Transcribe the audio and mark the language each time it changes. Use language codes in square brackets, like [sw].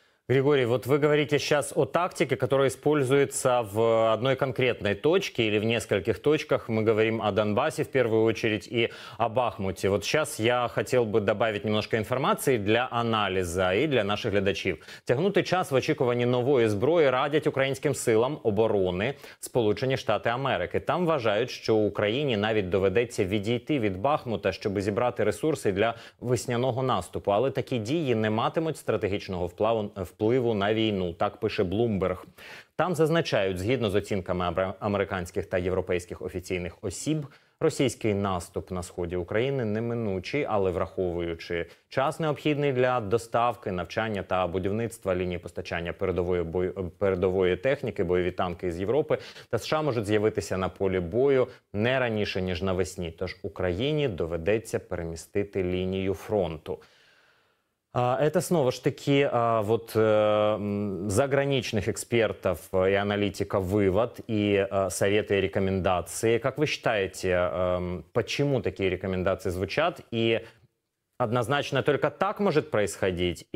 [ru] Григорий, вот вы говорите сейчас о тактике, которая используется в одной конкретной точке или в нескольких точках. Мы говорим о Донбассе в первую очередь и о Бахмуте. Вот сейчас я хотел бы добавить немножко информации для анализа и для наших глядачів. [uk] Тягнутий час в очікуванні нової зброї радять українським силам оборони Сполучені Штати Америки. Там вважають, що Україні навіть доведеться відійти від Бахмута, щоб зібрати ресурси для весняного наступу. Але такі дії не матимуть стратегічного впливу на війну, так пише Bloomberg. Там зазначають, згідно з оцінками американських та європейських офіційних осіб, російський наступ на сході України неминучий, але враховуючи час, необхідний для доставки, навчання та будівництва лінії постачання передової техніки, бойові танки з Європи та США, можуть з'явитися на полі бою не раніше, ніж навесні. Тож Україні доведеться перемістити лінію фронту. [ru] Это снова ж таки вот заграничных экспертов и аналитиков вывод и советы и рекомендации. Как вы считаете, почему такие рекомендации звучат? И однозначно только так может происходить?